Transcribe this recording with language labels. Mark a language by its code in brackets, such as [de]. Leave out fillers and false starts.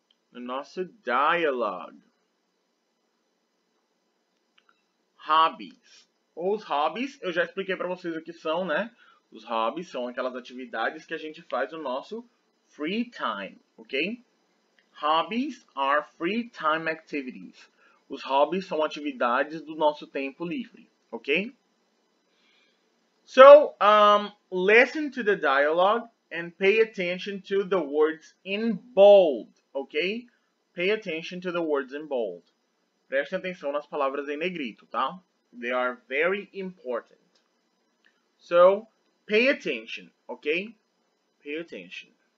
[pt] No nosso dialogue. Hobbies. Os hobbies, eu já expliquei para vocês o que são, né? Os hobbies são aquelas atividades que a gente faz no nosso [en] free time, [pt] ok? [en] Hobbies are free time activities. [pt] Os hobbies são atividades do nosso tempo livre, ok? [en] So, listen to the dialogue and pay attention to the words in bold, ok? Pay attention to the words in bold. [pt] Prestem atenção nas palavras em negrito, tá? [en] They are very important. So, pay attention, ok? Pay attention.